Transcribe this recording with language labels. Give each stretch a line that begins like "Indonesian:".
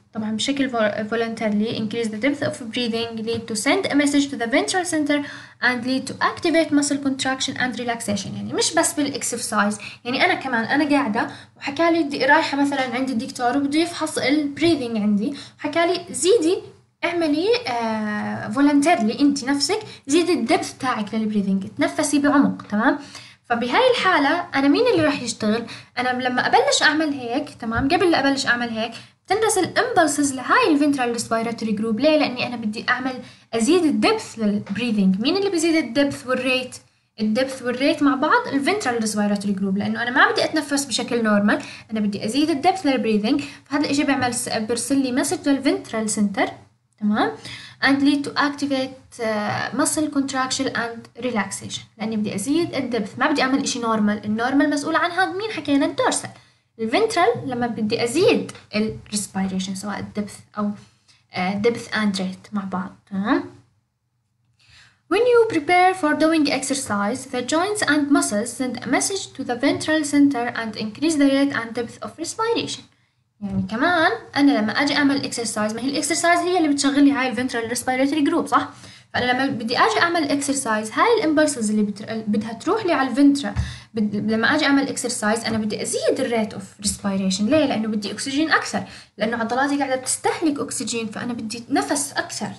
Arabic: طبعا بشكل
English: voluntarily increase the depth of breathing lead to send a message to the ventral center and lead to activate muscle contraction and relaxation.
Arabic: يعني مش بس بالexercise, يعني أنا كمان أنا قاعدة وحكالي رايحة مثلا عند الدكتور وبدو يفحص البريذينج عندي, حكالي زيدي اعملي voluntarily انت نفسك زيدي الدبث تاعك للبريذينج, تنفسي بعمق. تمام, فبهاي الحالة أنا مين اللي راح يشتغل؟ أنا لما أبلش أعمل هيك, تمام, قبل اللي أبلش أعمل هيك تندرس الامبلسز لهاي الفنترال ريسبيراتوري جروب. ليه؟ لاني انا بدي اعمل ازيد الدبث للبريذنج. مين اللي بزيد الدبث والريت؟ الدبث والريت مع بعض الفنترال ريسبيراتوري جروب, لانه انا ما بدي اتنفس بشكل نورمال, انا بدي ازيد الدبث للبريذنج. فهذا الاشي بعمل برسل لي مسج للفنترال سنتر, تمام,
English: and lead to activate muscle contraction and relaxation,
Arabic: لاني بدي ازيد الدبث, ما بدي اعمل اشي نورمال. النورمال مسؤول عن هذا مين حكينا؟ الدورسال. الفنترال لما بدي ازيد الريسبيريشن سواء الدبث او دبث اند ريت مع بعض. تمام,
English: when you prepare for doing exercise the joints and muscles send a message to the ventral center and increase the rate and depth of respiration.
Arabic: يعني كمان انا لما اجي اعمل اكسرسايز, ما هي الاكسرسايز هي اللي بتشغل لي هاي الفنترال ريسبيريتوري جروب, صح؟ فانا لما بدي اجي اعمل اكسرسايز هاي الامبلسز اللي بدها تروح لي على الفنترا, لما اجي اعمل اكسرسايز انا بدي ازيد الريت اوف ريسبيريشن. ليه؟ لانه بدي اكسجين اكثر, لانه عضلاتي قاعده تستهلك اكسجين, فانا بدي نفس اكثر.